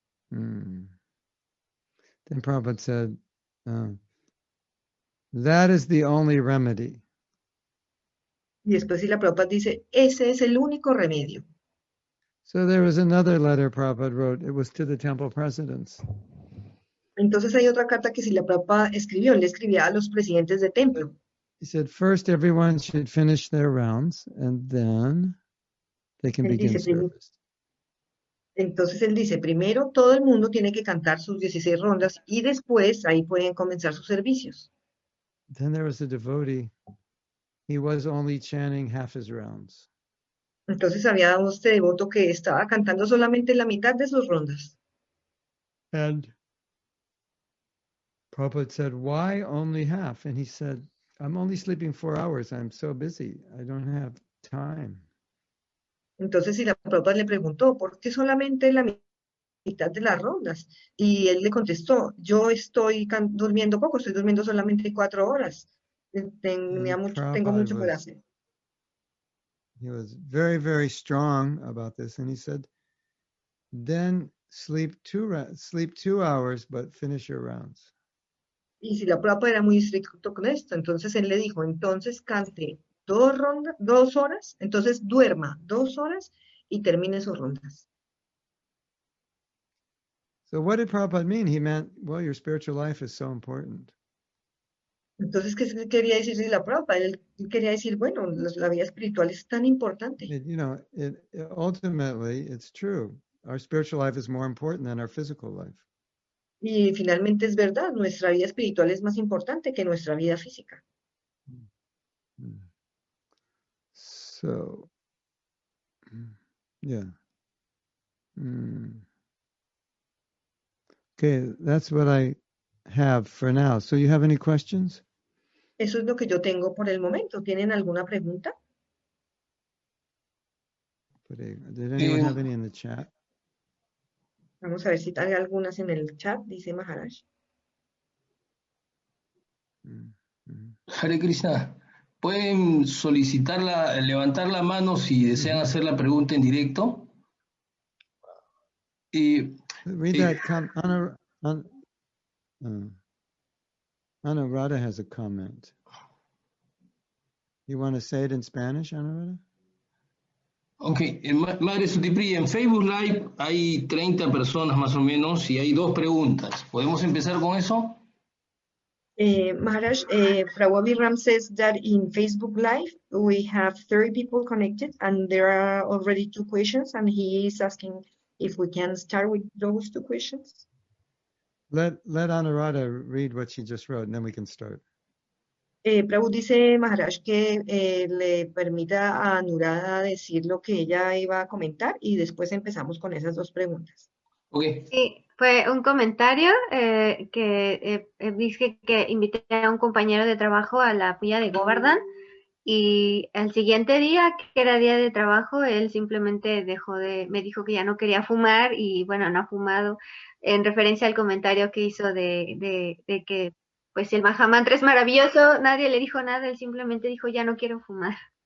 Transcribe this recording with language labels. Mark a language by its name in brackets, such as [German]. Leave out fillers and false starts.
[English] Then Prabhupada said, that is the only remedy. [Spanish] Y después la Prabhupada dice, ese es el único remedio. [English] So there was another letter Prabhupada wrote. It was to the temple presidents. [Spanish] Entonces hay otra carta que si la Prabhupada escribió, le escribía a los presidentes de templo. [English] He said, first everyone should finish their rounds and then they can begin service. [Spanish] Entonces él dice, primero todo el mundo tiene que cantar sus 16 rondas y después ahí pueden comenzar sus servicios. [English] Then there was a devotee. He was only chanting half his rounds. [Spanish] Entonces había este devoto que estaba cantando solamente la mitad de sus rondas. [English] And Prabhupada said, why only half? And he said, I'm only sleeping 4 hours. I'm so busy. I don't have time. [Spanish] Entonces, si la Prabhupada le preguntó, ¿por qué solamente la mitad de las rondas? Y él le contestó, yo estoy durmiendo poco, estoy durmiendo solamente 4 horas. Tengo mucho por hacer. [English] He was very, very strong about this. And he said, then sleep two hours, but finish your rounds. [Spanish] Y si la Prabhupada era muy estricto con esto, entonces él le dijo, entonces cante. Dos horas, entonces duerma 2 horas y termine sus rondas. [English] So what did Prabhupada mean? He meant, well, your spiritual life is so important. [Spanish] Entonces, ¿qué quería decir la Prabhupada? Él quería decir, bueno, la vida espiritual es tan importante. [English] You know, ultimately, it's true. Our spiritual life is more important than our physical life. [Spanish] Y finalmente es verdad, nuestra vida espiritual es más importante que nuestra vida física. [English] So, yeah. Okay, that's what I have for now. So, you have any questions? [Spanish] Eso es lo que yo tengo por el momento. ¿Tienen alguna pregunta? [English] Did anyone have any in the chat? [Spanish] Vamos a ver si hay algunas en el chat, dice Maharaj. [Sanskrit] Hare Krishna. [Spanish] ¿Pueden solicitarla, levantar la mano si desean hacer la pregunta en directo? Y, [English] read that. Anuradha has a comment. You want to say it in Spanish, Anuradha? Okay. [Spanish] Madre Sutipriya, en Facebook Live hay 30 personas más o menos y hay dos preguntas. ¿Podemos empezar con eso? [English] Maharaj, Prabhupada Ram says that in Facebook Live, we have 30 people connected and there are already 2 questions and he is asking if we can start with those 2 questions. Let Anuradha read what she just wrote and then we can start. [Spanish] Prabhupada dice, Maharaj, que le permita a Anuradha decir lo que ella iba a comentar y después empezamos con esas dos preguntas. [English] Okay. [Spanish] Fue un comentario que dije que invité a un compañero de trabajo a la puya de Govardhan y al siguiente día, que era día de trabajo, él simplemente me dijo que ya no quería fumar y bueno, no ha fumado, en referencia al comentario que hizo de que pues el Mahamantra es maravilloso, nadie le dijo nada, él simplemente dijo ya no quiero fumar.